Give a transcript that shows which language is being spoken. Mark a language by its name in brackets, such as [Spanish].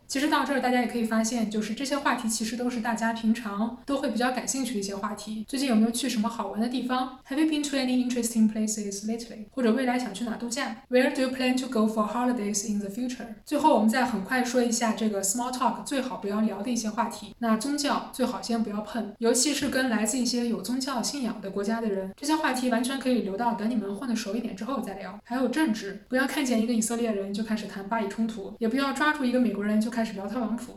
[Chinese] 其实到这儿大家也可以发现，就是这些话题其实都是大家平常都会比较感兴趣的一些话题。最近有没有去什么好玩的地方？ [English] Have you been to any interesting places lately? [Chinese] 或者未来想去哪度假？ [English] Where do you plan to go for holidays in the future? [Chinese] 最后我们再很快说一下这个 small talk 最好不要聊的一些话题。那宗教最好先不要碰，尤其是跟来自一些有宗教信仰的国家的人，这些话题完全可以留到等你们混得熟一点之后再聊。还有政治，不要看见一个以色列人就开始谈巴以冲突，也不要抓住一个美国人就开始聊特朗普。